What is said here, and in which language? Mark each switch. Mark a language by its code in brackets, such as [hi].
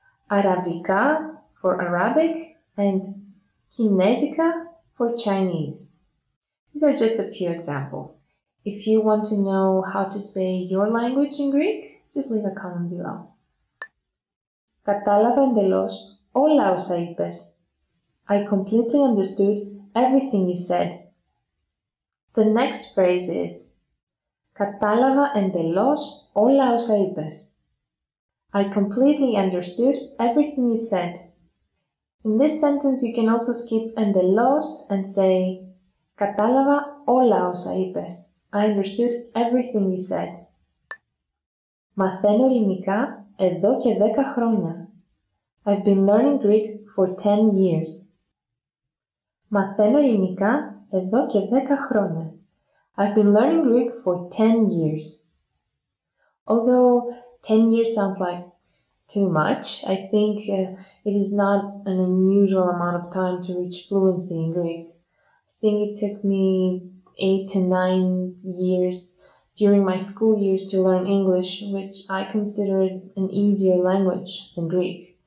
[en] Arabica for Arabic and Kinesica for Chinese. These are just a few examples. If you want to know how to say your language in Greek, just leave a comment below. [el] Κατάλαβα εντελώς όλα όσα είπες. [en] I completely understood everything you said. The next phrase is [el] Κατάλαβα εντελώς όλα όσα είπες. [en] I completely understood everything you said. In this sentence, you can also skip εντελώς and say [el] Κατάλαβα όλα όσα είπες. [en] I understood everything you said. [el] Μαθαίνω ελληνικά εδώ και 10 χρόνια. [en] I've been learning Greek for 10 years. [el] Μαθαίνω ελληνικά εδώ και 10 χρόνια. [en] I've been learning Greek for 10 years. Although 10 years sounds like too much, I think it is not an unusual amount of time to reach fluency in Greek. I think it took me 8 to 9 years during my school years to learn English, which I considered an easier language than Greek.